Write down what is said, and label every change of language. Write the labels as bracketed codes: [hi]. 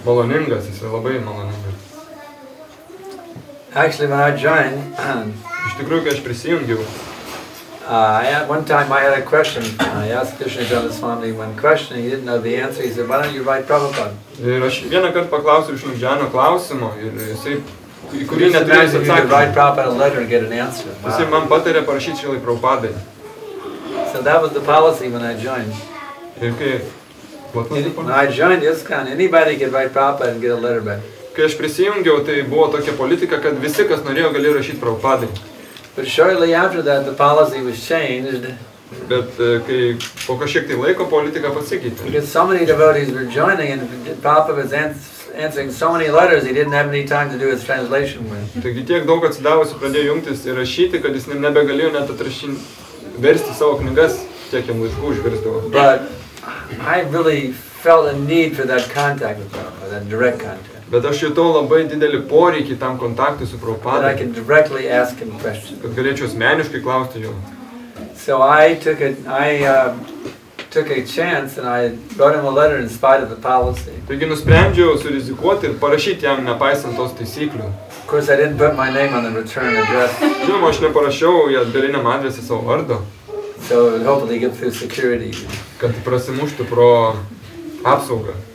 [lt] Maloningas, jis yra labai maloningas. [en] Actually, when I joined, [lt] iš tikrųjų, kai aš prisijungiau, [en] one time I had a question. I asked Krishna Jalaswami one question, he didn't know the answer. He said, why don't you write Prabhupada? [lt] Ir aš vieną kartą paklausiau iš Nudžiano klausimo ir jisai į kurį neturėjus atsakymą. Jisai man patarė parašyti Šrilai Prabhupadai. [en] So that was the policy when I joined. [lt] Ir kai, [en] what was the policy? When I joined ISKCON, anybody could write Prabhupada and get a letter back. [lt] Kai aš prisijungiau, tai buvo tokia politika, kad visi, kas norėjo, galėjo rašyti Prabhupadai. [en] But shortly after that, the policy was changed. [lt] Bet kai po kažkiek tai laiko, politika pasikeitė. [en] Because so many devotees were joining and Prabhupada's answering so many letters, he didn't have any time to do his translation with. [lt] Taigi tiek daug atsidavusių pradėjo jungtis ir rašyti, kad jis nebegalėjo net atrašyti, versti savo knygas, tiek jam laiškų užversdavo. [en] But I really felt a need for that contact with Prabhupada, that direct contact. [lt] Bet aš jutau labai didelį poreikį tam kontaktui su Prabhupada. [en] That I could directly ask him questions. [lt] Kad galėčiau asmeniškai klausti jo. [en] So I took a chance and I wrote him a letter in spite of the policy. [lt] Taigi nusprendžiau surizikuoti ir parašyti jam nepaisant tos taisyklių. [en] Of course, I didn't put my name on the return address. [lt] Žinoma, aš neparašiau į atgalinam adresą savo vardo. [en] So hopefully get through security. [lt] Kad prasimuštų pro apsaugą.